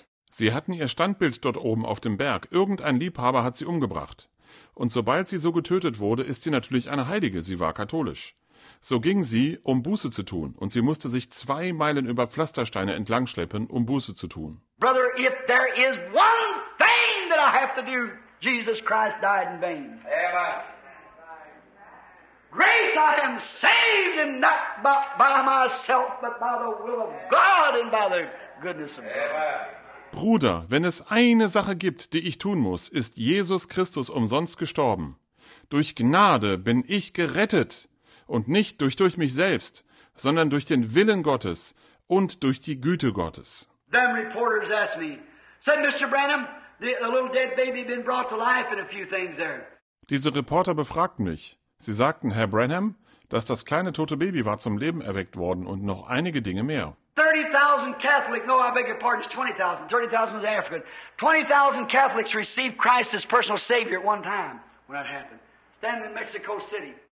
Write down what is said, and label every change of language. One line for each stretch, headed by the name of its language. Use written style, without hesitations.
German: Sie hatten ihr Standbild dort oben auf dem Berg. Irgendein Liebhaber hat sie umgebracht. Und sobald sie so getötet wurde, ist sie natürlich eine Heilige. Sie war katholisch. So ging sie, um Buße zu tun, und sie musste sich 2 Meilen über Pflastersteine entlangschleppen, um Buße zu tun.
English: Brother, if there is one thing that I have to do, Jesus Christ died in vain. Amen. Grace, I am saved, and not by myself, but by the will of God and by the goodness of God. Amen.
German: Bruder, wenn es eine Sache gibt, die ich tun muss, ist Jesus Christus umsonst gestorben. Durch Gnade bin ich gerettet. Und nicht durch mich selbst, sondern durch den Willen Gottes und durch die Güte Gottes.
English: Them reporters asked me, said Mr. Branham, the little dead baby been brought to life in a few things there.
German: Diese Reporter befragten mich. Sie sagten, Herr Branham, dass das kleine tote Baby war zum Leben erweckt worden und noch einige Dinge mehr.
English: 30,000 Catholics, no, I beg your pardon, it's 20,000. 30,000 is African. 20,000 Catholics received Christ as personal Savior at one time when that happened. Standing in Mexico City.